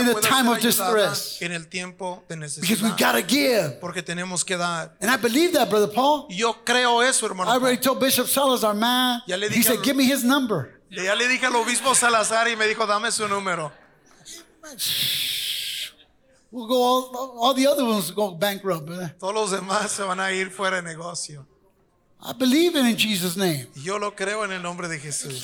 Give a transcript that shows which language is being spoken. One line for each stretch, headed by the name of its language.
English: in the time of distress.
Spanish: En el tiempo de necesidad.
English: Because we've got to give.
Spanish: Porque tenemos que dar.
English: And I believe that, Brother Paul.
Spanish: Yo creo eso, hermano.
English: I already told Bishop Salazar, man.
Spanish: Ya le dije
English: he said, give me his number.
Spanish: Ya le dije al obispo Salazar y me dijo, dame su número.
English: We'll go all the other ones go bankrupt.
Spanish: Todos los demás se van a ir fuera de negocio.
English: I believe it in Jesus' name.
Spanish: Yo lo creo en el nombre de Jesús.